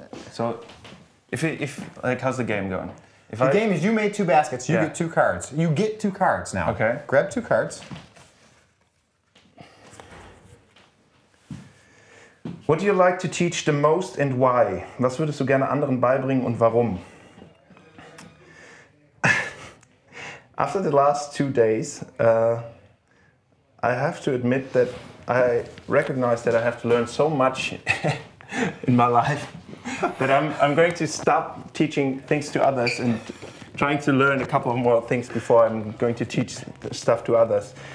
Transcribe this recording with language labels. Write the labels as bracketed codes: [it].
[en] So, how's the game going? Game is you made two baskets, you get two cards. You get two cards now. Okay. Grab two cards. What do you like to teach the most and why? [de] Was würdest du gerne anderen beibringen und warum? [en] After the last 2 days, I have to admit that I recognize that I have to learn so much in my life. But I'm going to stop teaching things to others and trying to learn a couple of more things before I'm going to teach stuff to others.